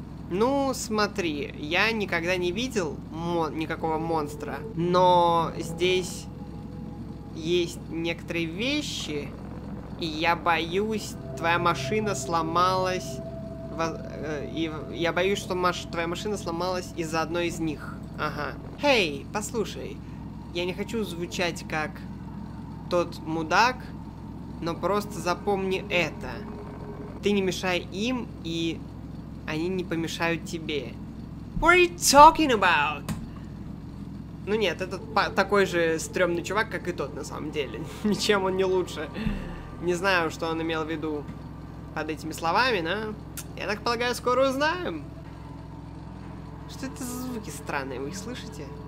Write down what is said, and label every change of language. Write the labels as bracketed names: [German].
[Russian] Ну, смотри, я никогда не видел никакого монстра, но здесь есть некоторые вещи, и я боюсь, твоя машина сломалась, твоя машина сломалась из-за одной из них. Ага. Хей, послушай, я не хочу звучать как тот мудак, но просто запомни это. Ты не мешай им, и они не помешают тебе. [English] What are you talking about? [Russian] Ну нет, этот такой же стрёмный чувак, как и тот на самом деле. Ничем он не лучше. Не знаю, что он имел в виду под этими словами, но я так полагаю, скоро узнаем. Что это за звуки странные, вы их слышите?